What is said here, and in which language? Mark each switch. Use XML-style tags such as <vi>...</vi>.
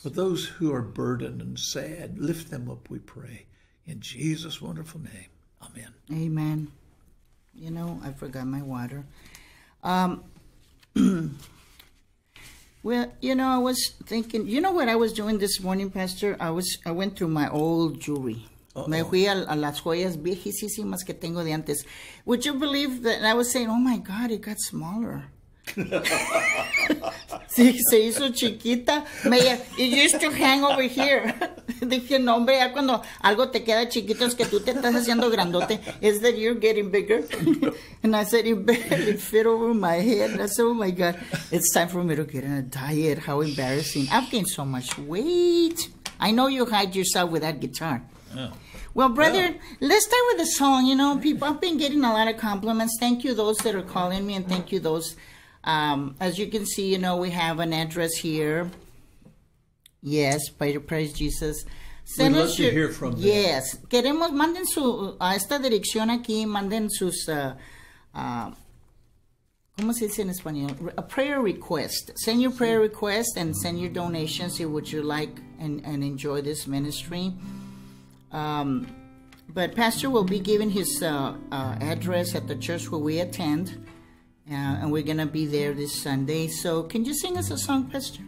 <en>For those who are burdened and sad, lift them up, we pray. In Jesus' wonderful name. Amen. Amen. You know, I forgot my water. Well, you know, I was thinking, you know what I was doing this morning, Pastor? I went through my old jewelry.</en> <es>Me fui a las joyas viejísimas que tengo de antes.</es> <en>Would you believe that? And I was saying, oh my God, it got smaller.</en> <es>Sí, se hizo chiquita.</es> <en>It used to hang over here.</en> <es>Dije, no, hombre, ya cuando algo te queda chiquito es que tú te estás haciendo grandote.</es> <en>Is that you're getting bigger? And I said, it barely fit over my head. And I said, oh my God, it's time for me to get on a diet. How embarrassing. I've gained so much weight. I know you hide yourself with that guitar. Yeah. Well, brother, let's start with a song. You know, people, I've been getting a lot of compliments. Thank you, those that are calling me, and thank you, those. As you can see, you know, we have an address here. Yes, praise Jesus. Send We'd love your, to hear from them. Yes.</en> <es>Queremos, manden su, a esta dirección aquí, manden sus, ¿cómo se dice en español?</es> <en>A prayer request. Send your prayer request and send your donations, see what you like and enjoy this ministry. But Pastor will be giving his address at the church where we attend. And we're going to be there this Sunday. So can you sing us a song, Pastor?</en>